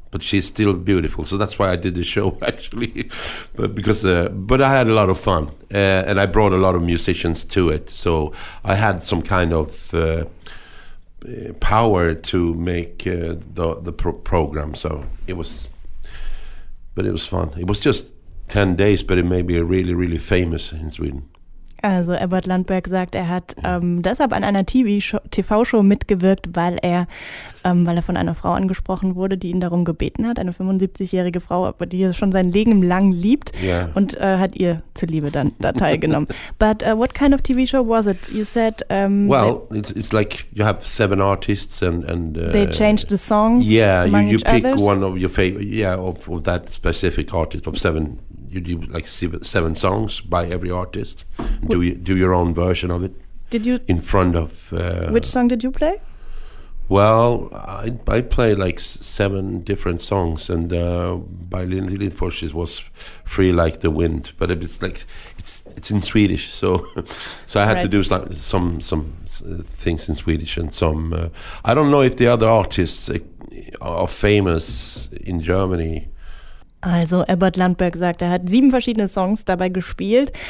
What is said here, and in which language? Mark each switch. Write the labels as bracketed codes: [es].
[en] But she's still beautiful, so that's why I did the show, actually. but I had a lot of fun, and I brought a lot of musicians to it. So I had some kind of power to make the program. So it was fun. It was just 10 days, but it made me really, really famous in Sweden. [de] Also Abbott Lundberg sagt, er hat deshalb an einer TV-Show mitgewirkt, weil er von einer Frau angesprochen wurde, die ihn darum gebeten hat, eine 75-jährige Frau, aber die er schon sein Leben lang liebt, yeah. Und hat ihr zuliebe dann da teilgenommen. [en] But what kind of TV show was it? You said... Well, it's like you have 7 artists and they change the songs. Yeah, you pick one of your favorite, of that specific artist of 7. You do like 7 songs by every artist. Do your own version of it. Did you in front of which song did you play? Well, I play like 7 different songs, and by Lilin Forsch was Free Like the Wind, but it's like it's in Swedish, so I had to do some things in Swedish and some. I don't know if the other artists are famous in Germany. [de] Also Abbott Lundberg sagt, er hat 7 verschiedene Songs dabei gespielt.